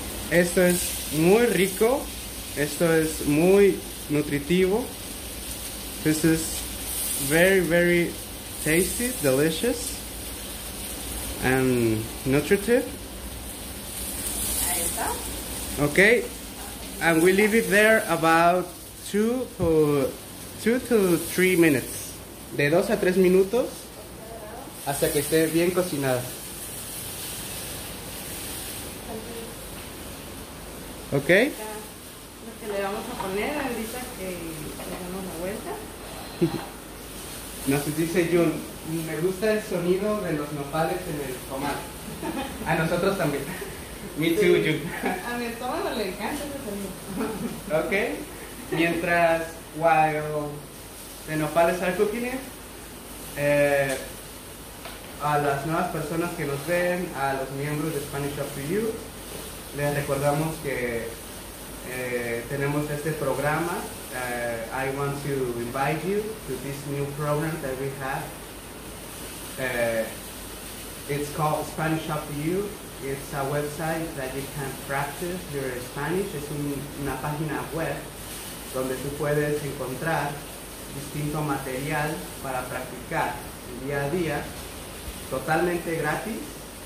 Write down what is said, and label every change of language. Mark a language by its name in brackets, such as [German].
[Spanish] Esto es muy rico, esto es muy nutritivo. [English] This is very, very tasty, delicious, and nutritive. [Spanish] Ahí está. [English] Okay, and we leave it there about 2 to 3 minutes. [Spanish] De 2 a 3 minutos hasta que esté bien cocinado. Ok. Lo que le vamos a poner ahorita que le damos la vuelta. Nos dice Jun, me gusta el sonido de los nopales en el comal. A nosotros también. [English] Me too, [Spanish] sí. Jun. A mi estómago le encanta ese sonido. Ok. Mientras, [English] while the nopales are cooking it, [Spanish] a las nuevas personas que nos ven, a los miembros de Spanish Up to You, les recordamos que tenemos este programa. [English] I want to invite you to this new program that we have. It's called Spanish Up to You. It's a website that you can practice your Spanish. [Spanish] Es una página web donde tú puedes encontrar distinto material para practicar día a día, totalmente gratis.